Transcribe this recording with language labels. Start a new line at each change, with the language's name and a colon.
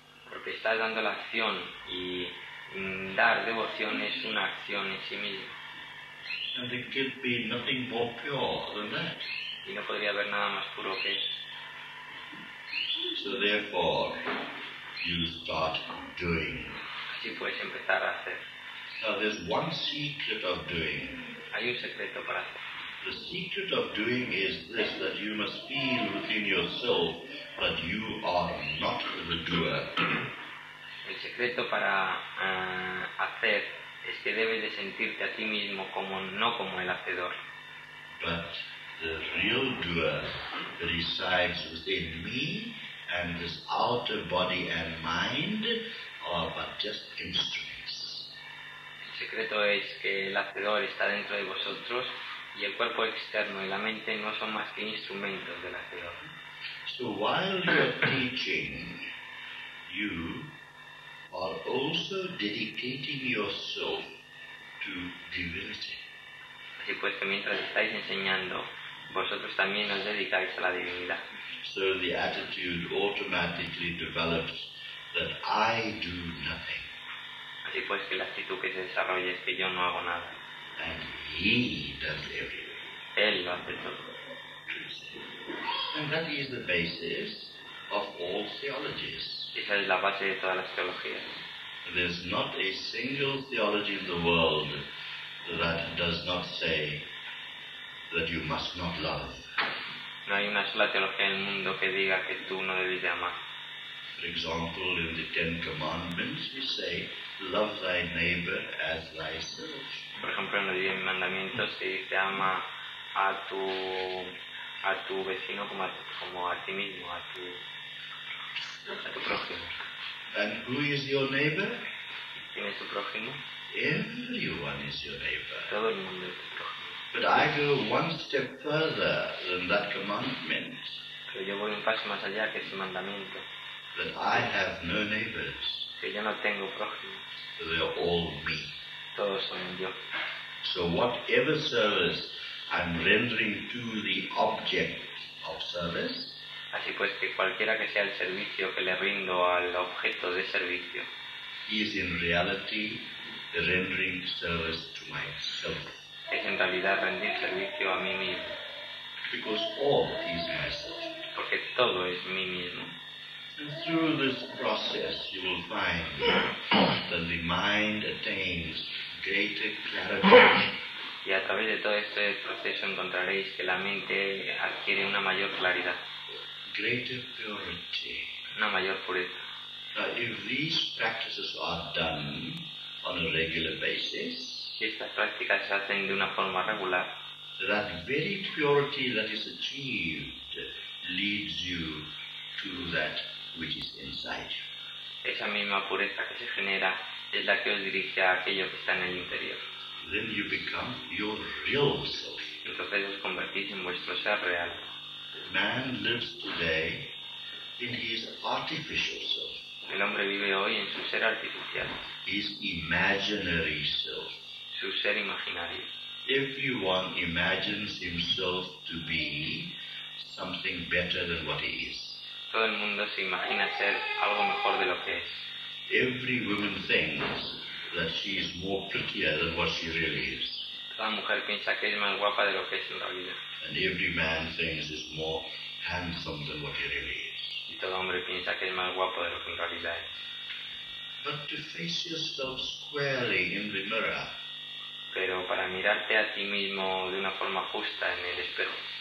Spanish: Porque estás dando la acción y dar devoción es una acción en sí misma.
English: And there could be nothing more pure than that.
Spanish: Y no podría haber nada más puro que eso.
English: So therefore, you start doing.
Spanish: Así puedes empezar a hacer.
English: Now there's one secret of doing.
Spanish: Hay un secreto para hacer.
English: The secret of doing is this, that you must feel within yourself that you are not the doer.
Spanish: El secreto para hacer es que debes de sentirte a ti mismo como no como el hacedor.
English: But the real doer resides within me, and this outer body and mind are but just instruments.
Spanish: El secreto es que el hacedor está dentro de vosotros. Y el cuerpo externo y la mente no son más que instrumentos de la teoría.
English: So while you're teaching, you are also dedicating yourself to divinity.
Spanish: Así pues, que mientras estáis enseñando, vosotros también os dedicáis a la divinidad.
English: So the attitude automatically develops that I do nothing.
Spanish: Así pues, que la actitud que se desarrolla es que yo no hago nada.
English: And he does everything.
Spanish: Él lo hace todo.
English: And that is the basis of all theologies.
Spanish: Esa es la base de todas las teologías.
English: There's not a single theology in the world that does not say that you must not love.
Spanish: No hay una sola teología en el mundo que diga que tú no debes de amar.
English: For example, in the Ten Commandments, we say, "Love thy neighbor as thyself."
Spanish: Por ejemplo, en los 10 mandamientos se dice ama a tu vecino como a ti mismo, a tu prójimo.
English: And who is your neighbor?
Spanish: ¿Quién es tu prójimo?
English: Everyone is your neighbor.
Spanish: Todo el mundo es tu prójimo.
English: But I go one step further than that commandment.
Spanish: Pero yo voy un paso más allá que ese mandamiento.
English: that I have no neighbors.
Spanish: Que yo no tengo prójimos.
English: They are all me.
Spanish: Todos son yo.
English: So whatever service I'm rendering to the object of service.
Spanish: Así pues que cualquiera que sea el servicio que le rindo al objeto de servicio.
English: Is in reality rendering service to myself.
Spanish: Es en realidad rendir servicio a mí mismo.
English: Because all is myself.
Spanish: Porque todo es mí mismo.
English: And through this process you will find that the mind attains greater clarity.
Spanish: Y a través de todo este proceso encontraréis que la mente adquiere una mayor claridad.
English: Greater purity.
Spanish: Una mayor pureza.
English: Now, if these practices are done on a regular basis,
Spanish: si estas prácticas se hacen de una forma regular,
English: that very purity that is achieved leads you to that which is inside you.
Spanish: Esa misma pureza que se genera es la que os dirige a aquello que está en el interior.
English: Then you become your real self.
Spanish: Entonces os convertís en vuestro ser real.
English: Man lives today in his artificial self.
Spanish: El hombre vive hoy en su ser artificial.
English: His imaginary self.
Spanish: Su ser imaginario.
English: Everyone imagines himself to be something better than what he is.
Spanish: Todo el mundo se imagina ser algo mejor de lo que es.
English: Every woman thinks that she is more prettier than what she really is.
Spanish: Toda mujer piensa que es más guapa de lo que es en la vida.
English: And every man thinks is more handsome than what he really is.
Spanish: Y todo hombre piensa que es más guapo de lo que en realidad es.
English: But to face yourself squarely in the mirror.
Spanish: Pero para mirarte a ti mismo de una forma justa en el espejo.